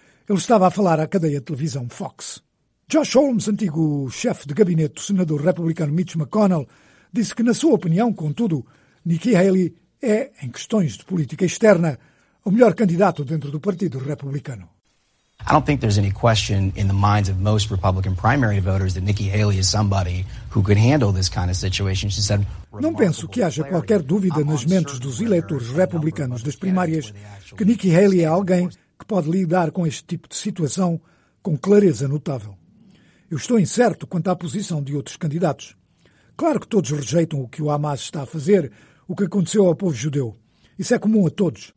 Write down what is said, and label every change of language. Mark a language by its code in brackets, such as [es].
[pt] Ele estava a falar à cadeia de televisão Fox. Josh Holmes, antigo chefe de gabinete do senador republicano Mitch McConnell, disse que, na sua opinião, contudo, Nikki Haley é, em questões de política externa, o melhor candidato dentro do Partido Republicano. [en] I don't think there's any question in the minds of most Republican primary voters that Nikki Haley is somebody who could handle this kind of situation. She said. [pt] Não penso que haja qualquer dúvida nas mentes dos eleitores republicanos das primárias que Nikki Haley é alguém que pode lidar com este tipo de situação com clareza notável. Eu estou incerto quanto à posição de outros candidatos. Claro que todos rejeitam o que o Hamas está a fazer, o que aconteceu ao povo judeu. Isso é comum a todos.